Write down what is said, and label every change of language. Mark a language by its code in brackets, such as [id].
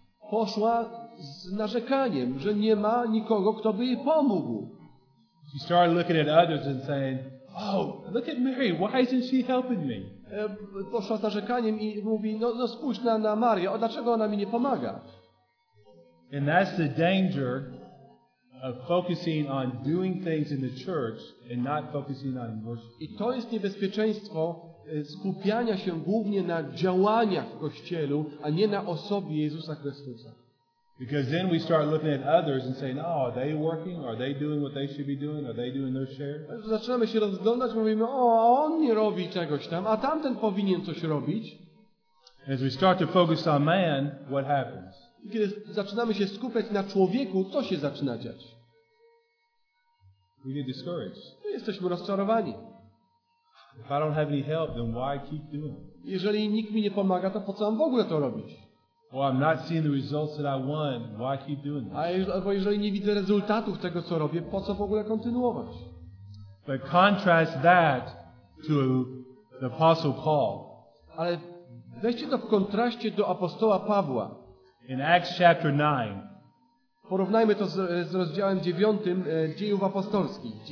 [pl] Poszła z narzekaniem, że nie ma nikogo, kto by jej pomógł. [en] She started looking at others and saying, "Oh, look at Mary. Why isn't she helping me?" [pl] Poszła z narzekaniem i mówi, no spójrz na Marię. O, dlaczego ona mi nie pomaga? [en] And that's the danger of focusing on doing things in the church and not focusing on worship. [pl] I to jest niebezpieczeństwo skupiania się głównie na działaniach w Kościelu, a nie na osobie Jezusa Chrystusa. [en] Because then we start looking at others and saying, oh, are they working? Are they doing what they should be doing? Are they doing their share? [pl] Zaczynamy się rozglądać, mówimy, o, on nie robi czegoś tam, a tamten powinien coś robić. [en] As we start to focus on man, what happens? [pl] Kiedy zaczynamy się skupiać na człowieku, co się zaczyna dziać? [en] We get discouraged. [pl] My jesteśmy rozczarowani. [en] If I don't have any help, then why keep doing? [pl] Jeżeli nikt mi nie pomaga, to po co mam w ogóle to robić? [en] Well, I'm not seeing the results that I want. Why keep doing this? [pl] Albo jeżeli nie widzę rezultatów tego, co robię, po co w ogóle kontynuować? [en] But contrast that to the Apostle Paul. [pl] Ale weźcie to w kontraście do apostoła Pawła. [en] In Acts chapter 9. [pl] Porównajmy to z rozdziałem 9 Dziejów Apostolskich.